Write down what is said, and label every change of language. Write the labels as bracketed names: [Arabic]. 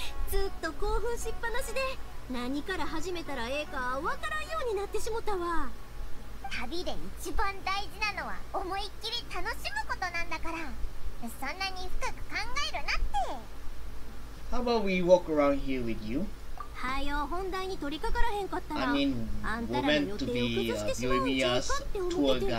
[Japanese] ずっと興奮しっぱなしで、何から始めたらええかわからんようになってしもたわ。旅で一番大事なのは思いっきり楽しむことなんだから、そんなに深く考えるなって。 [English] How about we walk around here with you? [Japanese] はよ、本題に取り掛からへんかったら、 I mean, あんたらの予定を崩してしまうんちゅうかって思っててけど、